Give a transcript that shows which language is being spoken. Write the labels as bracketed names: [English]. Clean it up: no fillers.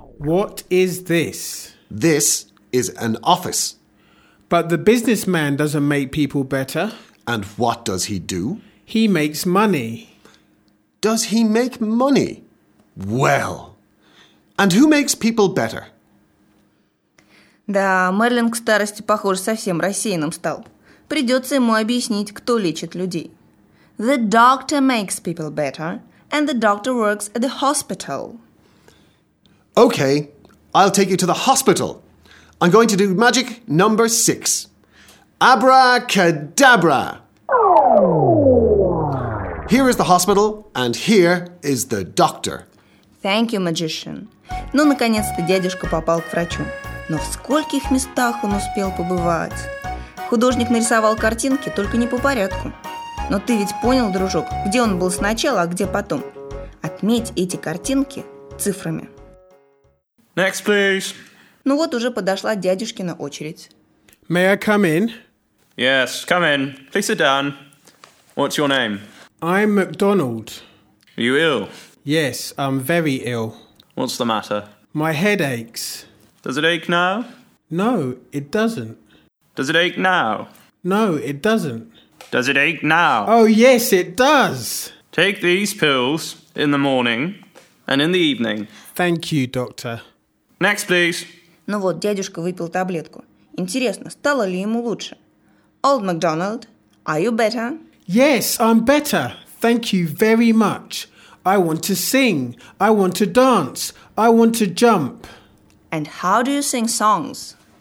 [English] What is this? This is an office. But the businessman doesn't make people better. And what does he do? He makes money. Does he make money? Well... And who makes people better? [Russian] Да, Мерлин к старости, похоже, совсем рассеянным стал. Придется ему объяснить, кто лечит людей. [English] The doctor makes people better, and the doctor works at the hospital. Okay, I'll take you to the hospital. I'm going to do magic number six. Abracadabra! Here is the hospital, and here is the doctor. Thank you, magician. [Russian] Ну, наконец-то дядюшка попал к врачу. Но в скольких местах он успел побывать? Художник нарисовал картинки, только не по порядку. Но ты ведь понял, дружок, где он был сначала, а где потом? Отметь эти картинки цифрами. [English] Next, please. [Russian] Ну вот уже подошла дядюшкина очередь. [English] May I come in? Yes, come in. Please sit down. What's your name? I'm MacDonald. Are you ill? Yes, I'm very ill. What's the matter? My head aches. Does it ache now? No, it doesn't. Does it ache now? No, it doesn't. Does it ache now? Oh, yes, it does. Take these pills in the morning and in the evening. Thank you, doctor. Next, please. [Russian] Ну вот, дядюшка выпил таблетку. Интересно, стало ли ему лучше? [English] Old MacDonald, are you better? Yes, I'm better. Thank you very much. I want to sing. I want to dance. I want to jump. And how do you sing songs?